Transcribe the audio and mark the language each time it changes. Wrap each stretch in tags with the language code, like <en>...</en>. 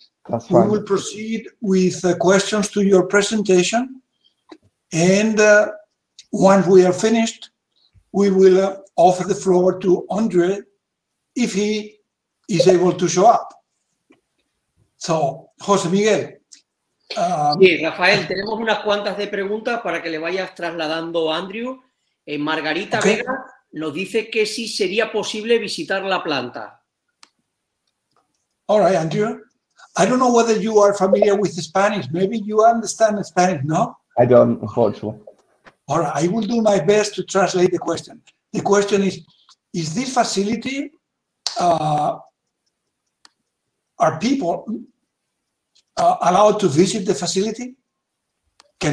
<en>that's fine. We will proceed with questions to your presentation, and once we are finished, we will offer the floor to Andre if he is able to show up. So, José Miguel.</en> <es>Sí, Rafael, tenemos unas cuantas de preguntas para que le vayas trasladando a Andrew. Margarita okay. Vega nos dice que sí sería posible visitar la planta.</es> <en>All right, Andrew. I don't know whether you are familiar with Spanish. Maybe you understand Spanish, no? I don't, unfortunately. All right, I will do my best to translate the question. The question is this facility, are people allowed to visit the facility? Can</en>